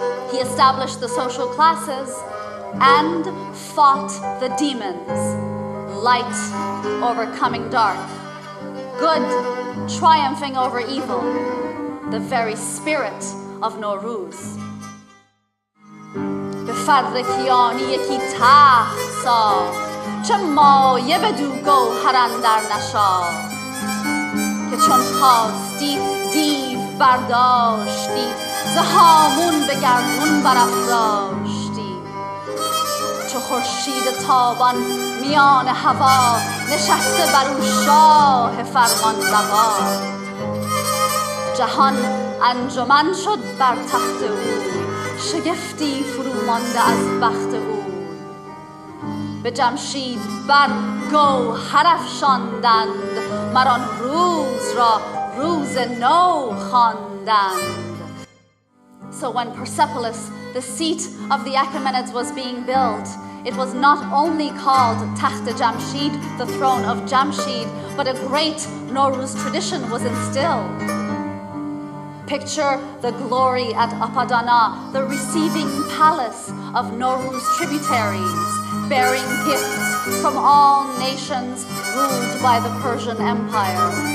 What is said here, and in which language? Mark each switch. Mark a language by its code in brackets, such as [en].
[en] He established the social classes and fought the demons, light overcoming dark, good triumphing over evil, the very spirit of Nowruz. [fa] به فر کیانی یکی تخت ساخت، چه مایه بدو گوهر اندر نشاخت، که چون خواستی دیو برداشتی، ز هامون به گردون برافراشتی. چو خورشید تابان میان هوا، نشسته بر او شاه فرمان روا. جهان انجمن شد بر تخت او، شگفتی فرومانده از بخت او. به جمشید بر گوهر افشاندند، مر آن روز را روز نو خواندند. [en] So when Persepolis, the seat of the Achaemenids, was being built, it was not only called Taht Jamshid, the throne of Jamshid, but a great Nowruz tradition was instilled. Picture the glory at Apadana, the receiving palace of Nowruz tributaries, bearing gifts from all nations ruled by the Persian Empire.